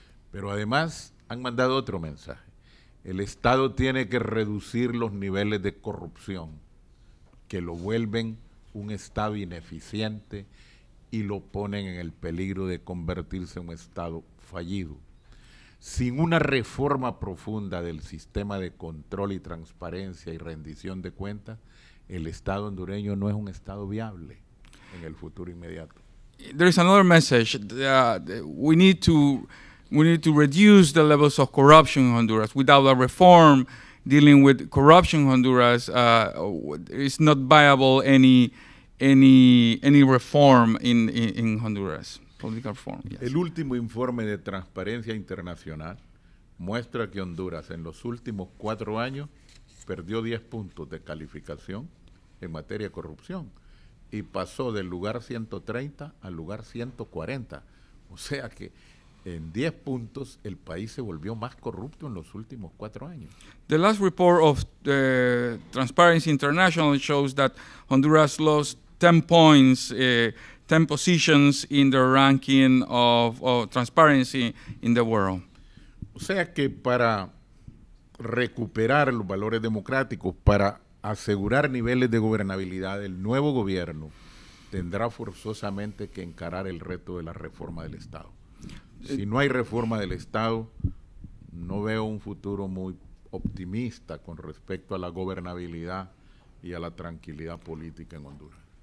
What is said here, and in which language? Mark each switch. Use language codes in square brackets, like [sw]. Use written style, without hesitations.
[es] Pero además han mandado otro mensaje. El Estado tiene que reducir los niveles de corrupción que lo vuelven un Estado ineficiente y lo ponen en el peligro de convertirse en un Estado fallido. Sin una reforma profunda del sistema de control y transparencia y rendición de cuentas, el Estado hondureño no es un Estado viable en el futuro inmediato. [en] There is another message. We need to reduce the levels of corruption in Honduras. Without a reform dealing with corruption in Honduras, it's not viable any reform in Honduras, political reform. Yes. [es] El último informe de Transparencia Internacional muestra que Honduras en los últimos 4 años perdió 10 puntos de calificación en materia de corrupción y pasó del lugar 130 al lugar 140. O sea que en 10 puntos el país se volvió más corrupto en los últimos 4 años. [en] The last report of Transparency International shows that Honduras lost 10 points, 10 positions in the ranking of transparency in the world. [es] O sea que para recuperar los valores democráticos, para asegurar niveles de gobernabilidad, el nuevo gobierno tendrá forzosamente que encarar el reto de la reforma del Estado. Si no hay reforma del Estado, no veo un futuro muy optimista con respecto a la gobernabilidad y a la tranquilidad política en Honduras.